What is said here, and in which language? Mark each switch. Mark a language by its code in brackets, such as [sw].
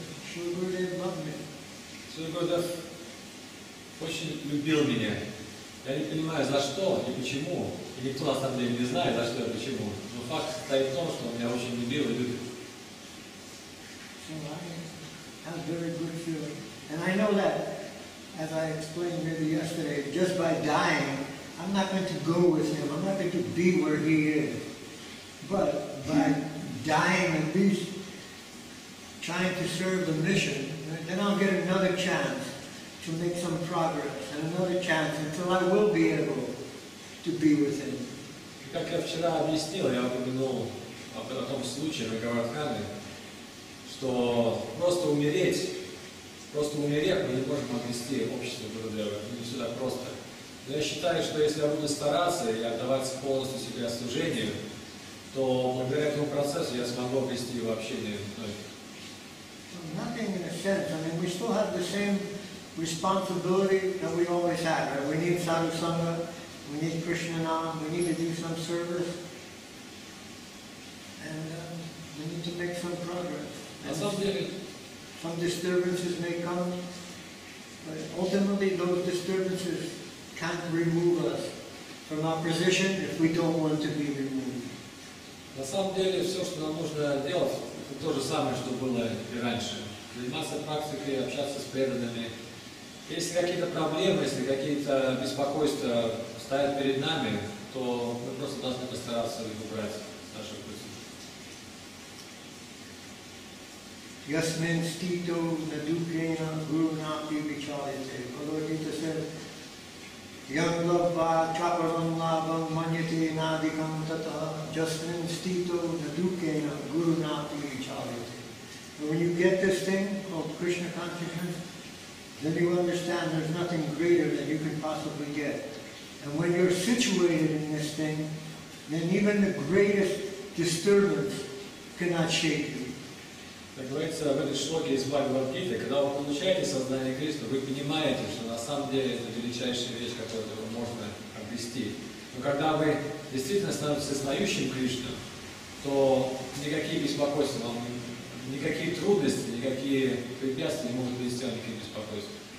[en] Shri Gurudev loved me. [ru] Shri Gurudev очень любил меня. Я не понимаю, за что и почему, и никто на самом деле не знает, за что и почему. Но факт состоит в том, что он меня очень любил и любит. [en] So I have a very good feeling. And I know that, as I explained maybe yesterday, just by dying, I'm not going to go with him, I'm not going to be where he is. But by dying at least, trying to serve the mission, then I'll get another chance to make some progress and another chance until I will be able to be with him. [ru] Как я вчера объяснил, я упомянул о том случае на Гавардхане, что просто умереть, мы не можем обрести общество Гурудева. Не всегда просто. Но я считаю, что если я буду стараться и отдаваться полностью себя служению, то благодаря этому процессу я смогу обрести его общение. [en] Nothing in a sense. I mean, we still have the same responsibility that we always have. Right? We need sadhu sangha, we need Krishna, we need to do some service, and we need to make some progress. Some disturbances may come, but ultimately those disturbances can't remove us from our position if we don't want to be removed. [ru] На самом деле, все, что нам нужно делать, это то же самое, что было и раньше. Заниматься практикой, общаться с преданными. Если какие-то проблемы, если какие-то беспокойства стоят перед нами, то мы просто должны постараться их убрать с нашего пути. [sa] Ясмин стито надукена гуруна пивичалите. Кодогита сэр. Yaglabha chaparam labham manyate nadikam tata jasmin stito nadukena guru nati vichalite. [en] When you get this thing called Krishna consciousness, then you understand there's nothing greater that you can possibly get. And when you're situated in this thing, then even the greatest disturbance cannot shake you. [ru] Как говорится в этой шлоке из Бхагавад-гиты, когда вы получаете сознание Кришны, вы понимаете, что на самом деле это величайшая вещь, которую можно обрести. Но когда вы действительно становитесь знающим Кришну, то никакие беспокойства вам, никакие трудности, никакие препятствия не могут привести вам никаких беспокойств.